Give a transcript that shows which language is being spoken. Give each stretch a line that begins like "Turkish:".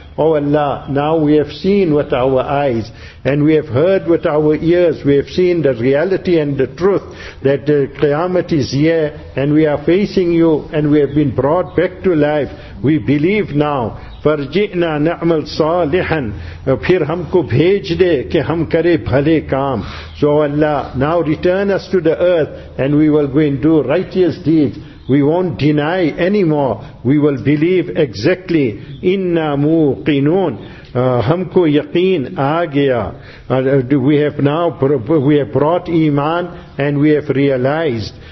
English: Oh Allah, now we have seen with our eyes, and we have heard with our ears, we have seen the reality and the truth that the Qiyamah is here, and we are facing you, and we have been brought back to life. We believe now.
Arabic: فَرْجِئْنَا نَعْمَلْ صَالِحًا,
Urdu: پھر ہم کو بھیج دے کہ ہم کرے بھلے کام.
English: So Allah, now return us to the earth, and we will go and do righteous deeds. We won't deny anymore. We will believe exactly.
Arabic: Inna muqinun.
Urdu: Humko yaqeen aagya.
English: We have brought iman and we have realized.